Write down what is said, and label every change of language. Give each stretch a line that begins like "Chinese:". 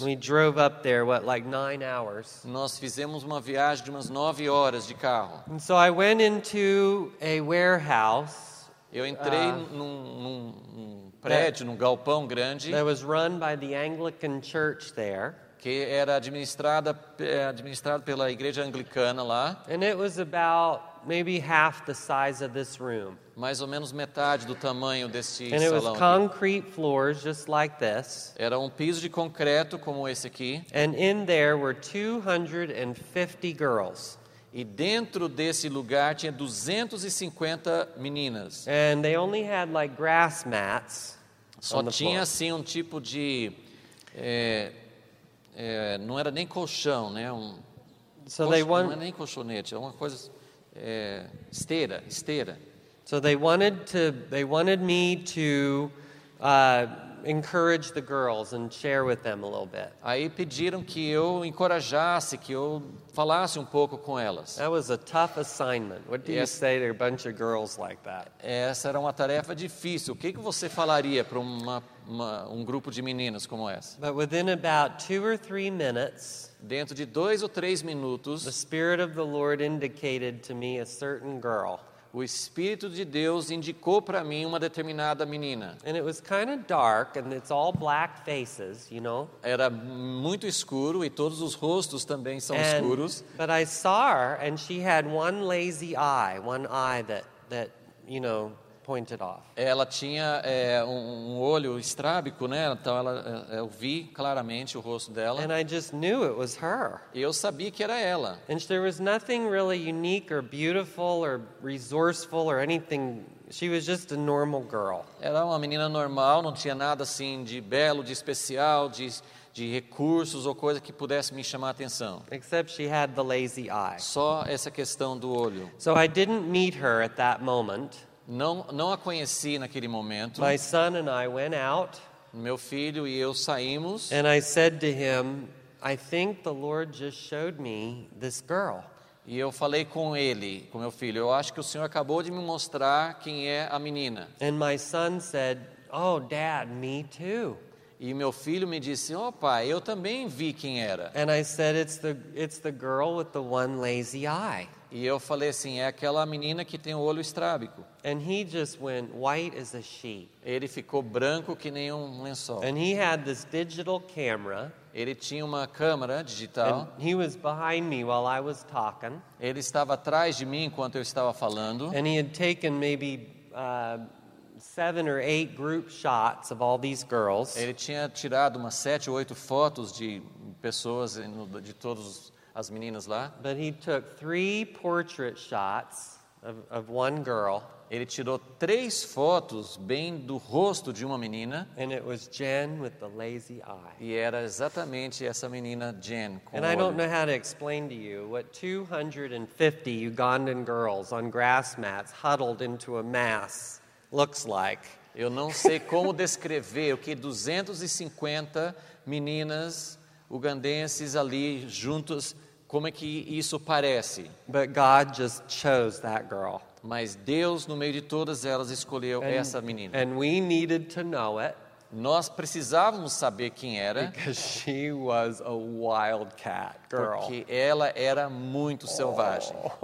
English: We drove up there, what, like 9 hours.
Portuguese: Nós fizemos uma viagem de umas 9 horas de carro.
English: And so I went into a warehouse.
Portuguese: Eu entrei num prédio, num galpão grande.
English: That was run by the Anglican church there.
Portuguese: Que era administrado pela igreja anglicana lá.
English: And it was about maybe half the size of this room.
Portuguese: Mais ou menos metade do tamanho desse
English: and
Portuguese: salão.
English: And it was concrete floors just like this.
Portuguese: Era um piso de concreto como esse aqui.
English: And in there were 250 girls.
Portuguese: E dentro desse lugar tinha 250 meninas.
English: And they only had like grass mats.
Portuguese: Só tinha assim um tipo de não era nem colchão, né? Não era nem colchonete, é uma coisa esteira.
English: So they wanted me to encourage the girls and share with them a little bit.
Portuguese: Aí pediram que eu encorajasse, que eu falasse um pouco com elas.
English: That was a tough assignment. What do you say to a bunch of girls like that?
Portuguese: Essa era uma tarefa difícil. O que você falaria para um grupo de meninas como essa?
English: But within about 2 or 3 minutes,
Portuguese: dentro de 2 ou 3 minutos,
English: the Spirit of the Lord indicated to me a certain girl.
Portuguese: O Espírito de Deus indicou para mim uma determinada menina.
English: And it was kind of dark and it's all black faces, you know? Era muito escuro e todos os rostos também são escuros. But I saw her and she had one lazy eye, one eye that you know, pointed off.
Portuguese: Ela tinha um olho estrábico, né? Então ela eu vi claramente o rosto dela.
English: And I just knew it was her.
Portuguese: E eu sabia que era ela.
English: And there was nothing really unique or beautiful or resourceful or anything. She was just a normal girl.
Portuguese: Era uma menina normal, não tinha nada assim de belo, de especial, de recursos ou coisa que pudesse me chamar a atenção.
English: Except she had the lazy eye.
Portuguese: Só essa questão do olho.
English: So I didn't meet her at that moment.
Portuguese: Não a conheci naquele momento.
English: My son and I went out.
Portuguese: Meu filho e eu saímos.
English: And I said to him, I think the Lord just showed me this girl.
Portuguese: E eu falei com ele, com meu filho, eu acho que o Senhor acabou de me mostrar quem é a menina.
English: And my son said, oh, Dad, me too.
Portuguese: E meu filho me disse, oh, pai, eu também vi quem era.
English: And I said, it's the girl with the one lazy eye.
Portuguese: E eu falei assim, é aquela menina que tem o olho estrábico.
English: And he just went white as a sheet.
Portuguese: Ele ficou branco que nem um lençol.
English: And he had this digital camera.
Portuguese: Ele tinha uma câmera digital.
English: And he was behind me while I was talking.
Portuguese: Ele estava atrás de mim enquanto eu estava falando.
English: And he had taken maybe 7 or 8 group shots of all these girls.
Portuguese: Ele tinha tirado umas 7 ou 8 fotos de pessoas de todos as meninas lá.
English: But he took 3 portrait shots of one girl.
Portuguese: Ele tirou 3 fotos bem do rosto de uma menina.
English: And it was Jen with the lazy eye.
Portuguese: E era exatamente essa menina Jen com
English: And
Portuguese: o
English: I
Portuguese: olho.
English: Don't know how to explain to you what 250 Ugandan girls on grass mats huddled into a mass looks like.
Portuguese: Eu não sei como descrever o que 250 meninas ugandenses ali juntos, como é que isso parece?
English: But God just chose that girl.
Portuguese: Mas Deus, no meio de todas elas, escolheu essa menina.
English: And we needed to know it.
Portuguese: Nós precisávamos saber quem era.
English: Because she was a wildcat girl.
Portuguese: Porque ela era muito selvagem.